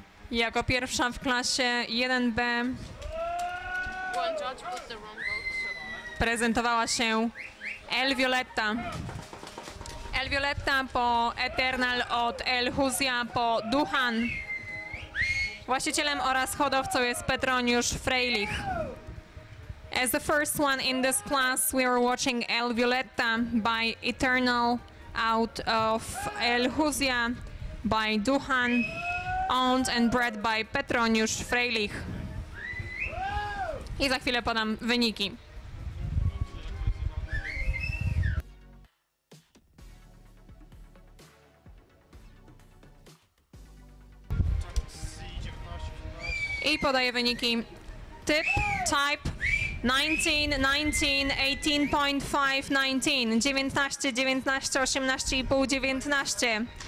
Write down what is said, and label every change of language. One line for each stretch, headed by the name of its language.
Polish: Jako pierwsza w klasie 1B prezentowała się El Violetta. El Violetta po Eternal od El Huzia po Duhan. Właścicielem oraz hodowcą jest Petroniusz Freilich.
English: As the first one in this class, we are watching El Violetta by Eternal out of El Huzia by Duhan. Owned and bred by Petroniusz Freilich.
Polish: I za chwilę podam wyniki. I podaję wyniki. Typ, type 19, 19, 18.5, 19, 19, 18.5, 19.